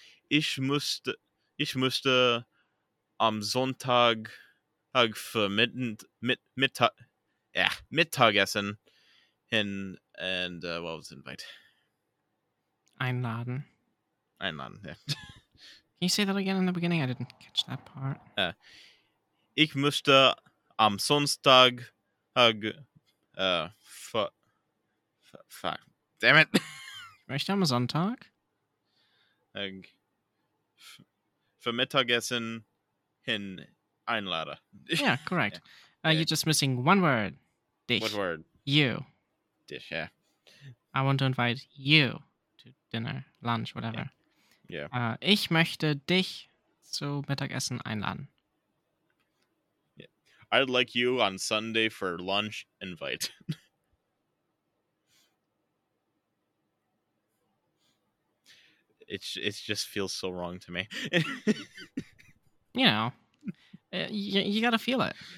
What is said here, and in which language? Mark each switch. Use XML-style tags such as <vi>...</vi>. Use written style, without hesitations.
<de>Ich musste am Sonntag für Mittag essen hin</de> <en>and what was the invite?</en> <de>Einladen,</de> <en>yeah. Can you say that again in the beginning? I didn't catch that part.</en> <de>Ich musste am Sonntag</de> <en>damn it.</en> <de>Möchte am Sonntag? Für Mittagessen hin einladen.</de> <en>Yeah, correct. Yeah. You're just missing one word.</en> <de>Dich.</de> <en>What word? You.</en> <de>Dich,</de> <en>yeah. I want to invite you to dinner, lunch, whatever. Yeah.</en> <de>Ich möchte dich zu Mittagessen einladen.</de> <en>I'd like you on Sunday for lunch invite. It just feels so wrong to me. You know, you gotta feel it.</en>